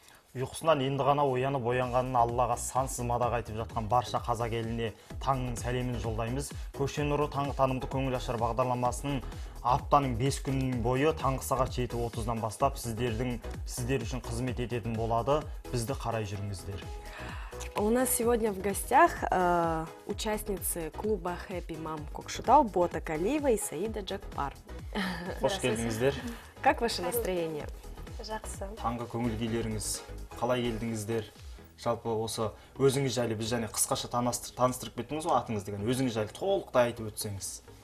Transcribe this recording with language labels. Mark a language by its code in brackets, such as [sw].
[kk] Ұйқысынан енді ғана оянып оянғанын Аллаға сансыз мадақ айтып жатқан барша қазақ еліне таңның сәлемін жолдаймыз. Көше нұры таңғы танымды көңіл ашар бағдарламасының аптаның 5 күн бойы таңғы сағат 7:30-дан бастап сіздер үшін қызмет ететін болады. Бізді қарай жүріңіздер. [ru] У нас сегодня в гостях участницы клуба Happy Mom Кокшетау Бота Калиева и Саида Джакпар. [kk] Қош келдіңіздер. [ru] Как ваше настроение? [kk] Жақсы. Таңғы көңіл күйлеріңіз. Қалай келдіңіздер? Жалпы осы өзіңіз жайлы біз және қысқаша таныстырып кеттіңіз ғой атыңыз деген. Өзіңіз жайлы толықтай айтып өтсеңіз.